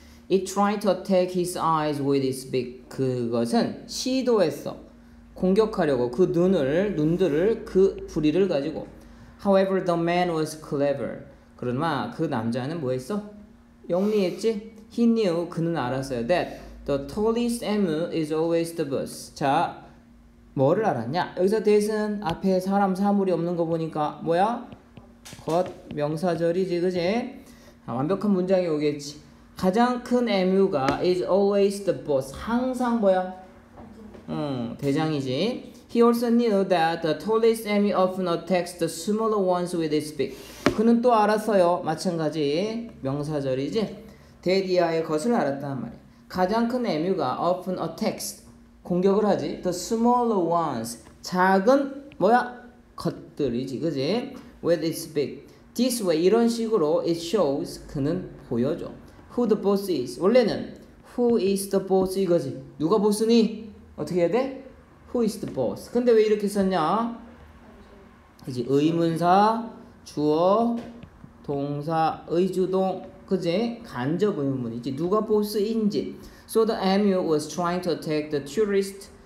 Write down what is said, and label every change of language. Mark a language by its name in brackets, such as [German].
[English] It tried to attack his eyes with its beak. [Korean] 그것은 시도했어. 공격하려고. 그 눈을, 눈들을, 그 부리를 가지고. [English] However, the man was clever. [Korean] 그러나 그 남자는 뭐 했어? 영리했지? [English] He knew, [Korean] 그는 알았어요. [English] That the tallest emu is always the boss. [Korean] 자, 뭐를 알았냐? 여기서 대신 앞에 사람 사물이 없는 거 보니까 뭐야? 겉 명사절이지, 그지? 아, 완벽한 문장이 오겠지. 가장 큰 에뮤가 [English] is always the boss. [Korean] 항상 뭐야? 대장이지. [English] He also knew that the tallest emu often attacks the smaller ones with its beak. [Korean] 그는 또 알았어요. 마찬가지 명사절이지. 대디아의 것을 알았단 말이야. 가장 큰 에뮤가 [English] often attacks. [Korean] 공격을 하지. [English] The smaller ones. [Korean] 작은, 뭐야? 것들이지. 그지? [English] With its beak. This way. [Korean] 이런 식으로 [English] it shows. [Korean] 그는 보여줘. [English] Who the boss is. [Korean] 원래는 [English] who is the boss [Korean] 이거지. 누가 보스니? 어떻게 해야 돼? [English] Who is the boss? [Korean] 근데 왜 이렇게 썼냐? 그지? 의문사, 주어, 동사, 의주동. 그지? 간접 의문문이지. 누가 보스인지. [English] So the emu was trying to attack the tourist.